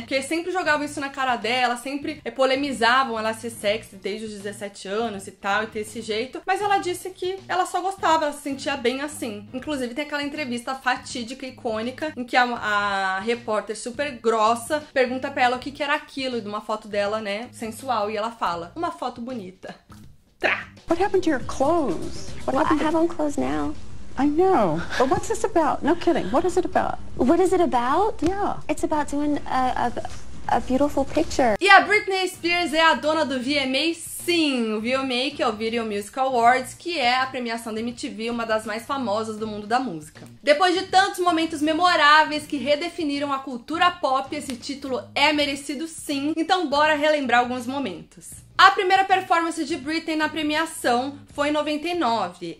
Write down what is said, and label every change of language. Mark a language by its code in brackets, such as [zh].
[pt] Porque sempre jogavam isso na cara dela, sempre polemizavam ela ser sexy desde os 17 anos e tal, e ter esse jeito. Mas ela disse que ela só gostava, ela se sentia bem assim. Inclusive, tem aquela entrevista fatídica, icônica, em que a repórter super grossa pergunta pra ela o que, que era aquilo, de uma foto dela, né, sensual, e ela fala: uma foto bonita. Trá! [en] What happened to your clothes? I have on clothes now. I know, but what's this about? No kidding, what is it about? What is it about? Yeah. It's about doing a beautiful picture. [pt] E a Britney Spears é a dona do VMA? Sim, o VMA, que é o Video Music Awards, que é a premiação da MTV, uma das mais famosas do mundo da música. Depois de tantos momentos memoráveis que redefiniram a cultura pop, esse título é merecido sim. Então bora relembrar alguns momentos. A primeira performance de Britney na premiação foi em 99.